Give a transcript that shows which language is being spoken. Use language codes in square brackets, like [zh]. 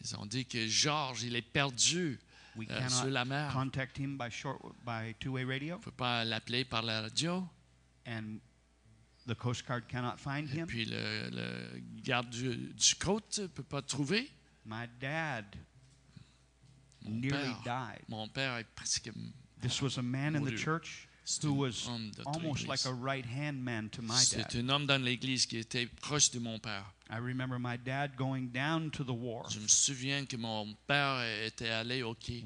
[fr] Ils ont dit que George il est perdu. [en] We cannot contact him by two-way radio. [fr] On peut pas l'appeler par la radio. [en] And the Coast Guard cannot find him. [fr] Et puis le garde du côte peut pas trouver. [en] My dad nearly died. [fr] Mon père est presque mort. [en] This was a man in the church who was almost like a right-hand man to my dad. [fr] C'est un homme dans l'église qui était proche de mon père. [en] I remember my dad going down to the wharf. [fr] Je me souviens que mon père était allé au quai.